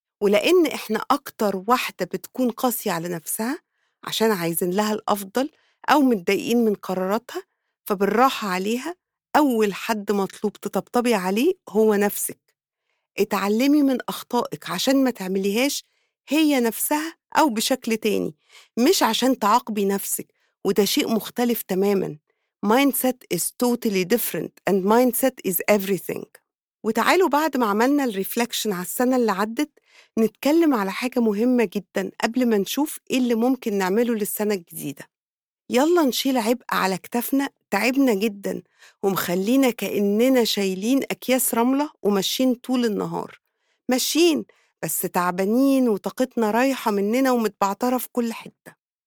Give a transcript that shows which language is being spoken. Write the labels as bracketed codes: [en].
[ar] ولأن إحنا أكتر واحدة بتكون قاسية على نفسها عشان عايزين لها الأفضل أو متضايقين من قراراتها، فبالراحة عليها أول حد مطلوب تطبطبي عليه هو نفسك. اتعلمي من أخطائك عشان ما تعمليهاش هي نفسها أو بشكل تاني، مش عشان تعاقبي نفسك، وده شيء مختلف تماماً. [en] Mindset is totally different and mindset is everything. [ar] وتعالوا بعد ما عملنا الريفلكشن على السنة اللي عدت نتكلم على حاجة مهمة جدا قبل ما نشوف إيه اللي ممكن نعمله للسنة الجديدة. يلا نشيل عبء على كتفنا تعبنا جدا ومخلينا كأننا شايلين أكياس رملة ومشين طول النهار، مشين بس تعبانين وطاقتنا رايحة مننا ومتبعترة في كل حتة.